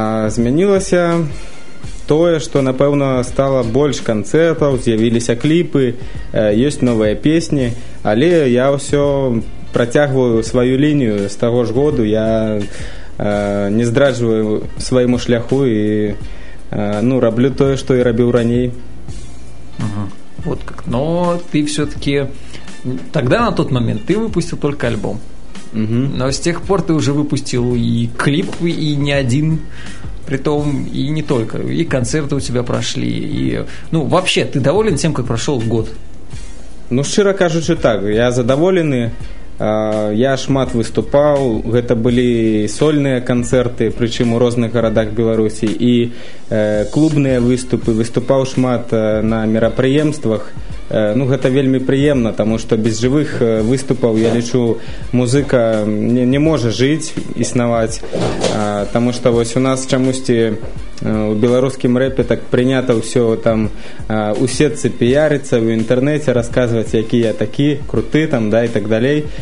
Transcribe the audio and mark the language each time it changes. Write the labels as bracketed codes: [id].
[be] Змянілася тое, што, напэўна, стала больш канцэртаў, з'явіліся кліпы, ёсць новыя песні, але я ўсё працягваю сваю лінію з таго ж году, я не здраджваю свайму шляху і раблю тое, што і рабіў раней. [ru] Вот как. Но ты всё-таки тогда на тот момент ты выпустил только альбом. Угу. Но с тех пор ты уже выпустил и клип, и не один, притом, и не только, и концерты у тебя прошли, и, вообще, ты доволен тем, как прошел год? Ну, широ кажучи так, я задоволен, [be] я шмат выступал, [ru] это были сольные концерты, причем в разных городах Беларуси, и клубные выступы, выступал шмат на мероприемствах. [be] Ну, гэта вельмі прыемна, таму што без жывых выступаў, я лічу, музыка не можа жыць, існаваць. Таму што вось у нас чамусьці у беларускім рэпе так прынята ўсё там у сетцы піярыцца, у інтэрнэце расказваць, які я такі, круты там, да, і так далей.